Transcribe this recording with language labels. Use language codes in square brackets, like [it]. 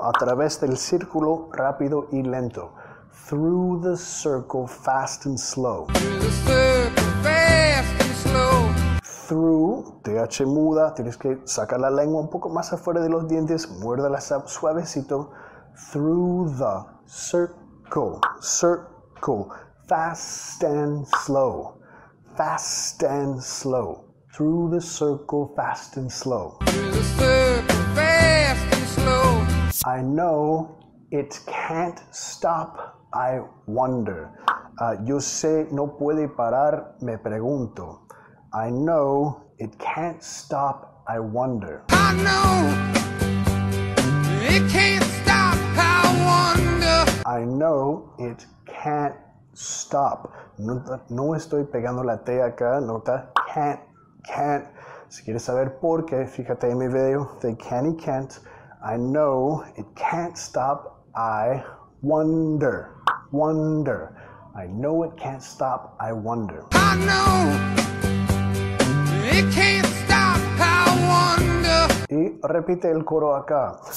[es] A través del círculo rápido y lento. [en] Through the circle fast and slow. Through the circle fast and slow. [es] Through, TH muda, tienes que sacar la lengua un poco más afuera de los dientes, muérdela suavecito. [en] Through the circle, circle, fast and slow, fast and slow. Through the circle, fast and slow. Through the circle, fast and slow. I know it can't stop, I wonder. [es] Yo sé, no puede parar, me pregunto. [en] I know it can't stop, I wonder. I know it can't stop, I wonder. I know it can't stop. [es] No, no estoy pegando la T acá, nota. Can't. Si quieres saber por qué, fíjate en mi video. [en] They can y can't. I know it can't stop, I wonder. Wonder. I know it can't stop, I wonder. I know. It can't stop, I wonder. [es] Y repite el coro acá.